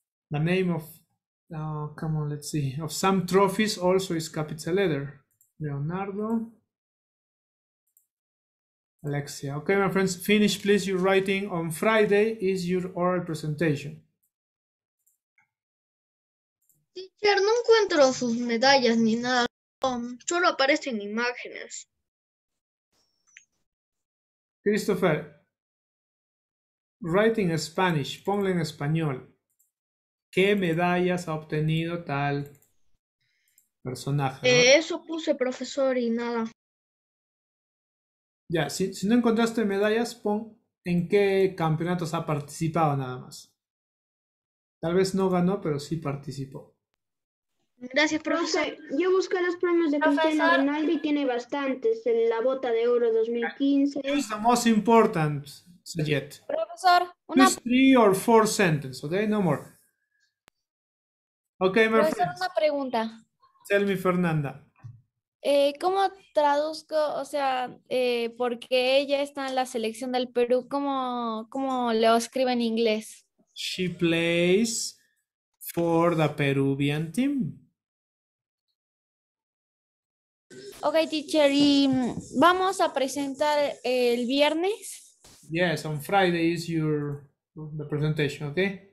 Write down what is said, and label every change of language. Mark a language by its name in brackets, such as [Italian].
[English] The name of, come on, let's see, of some trophies also is capital letter. Leonardo. Alexia. Okay, my friends, finish, please, your writing. On Friday is your oral presentation. [Spanish] Teacher, no encuentro sus medallas ni nada. Solo aparecen imágenes. [English] Christopher, write in Spanish, [Spanish] ponle en español. ¿Qué medallas ha obtenido tal personaje? Eso puse, profesor, y nada. Ya, si no encontraste medallas, pon en qué campeonatos ha participado nada más. Tal vez no ganó, pero sí participó. Gracias, profesor. Yo busqué los premios de Cristiano Ronaldo y tiene bastantes. En la bota de oro 2015. [English] It's the most important, Sayet. [Spanish] Profesor, una... [English] Please, three or four sentences, okay? No more. Okay, my [Spanish] profesor, [English] friends. [Spanish] Una pregunta. [English] Tell me, Fernanda. [Spanish] ¿Cómo traduzco, o sea, por qué ella está en la selección del Perú? ¿Cómo lo escribe en inglés? [English] She plays for the Peruvian team. Ok, teacher, [Spanish] ¿y vamos a presentar el viernes? [English] Yes, on Friday is your the presentation, okay?